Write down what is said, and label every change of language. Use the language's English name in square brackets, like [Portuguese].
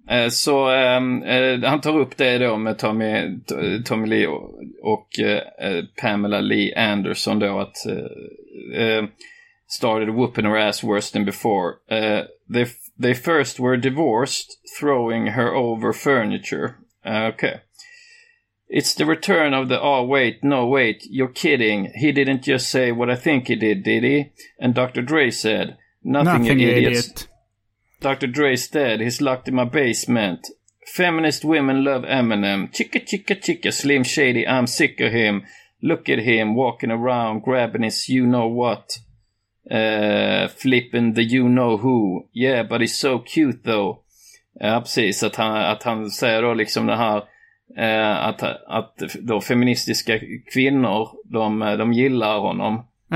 [Swedish] Så han tar upp det då med Tommy Lee och Pamela Lee Anderson då, att [English] started whooping her ass worse than before. They first were divorced, throwing her over furniture. Okay. It's the return of the, oh wait, no wait, you're kidding. He didn't just say what I think he did he? And Dr. Dre said, nothing, you idiots. Dr. Dre's dead, he's locked in my basement. Feminist women love Eminem. Chicka chicka chicka, Slim Shady, I'm sick of him. Look at him, walking around, grabbing his you-know-what. Flipping the you-know-who. Yeah, but he's so cute though. [Swedish] Ja, precis, att han säger då liksom det här, att då feministiska kvinnor, de gillar honom.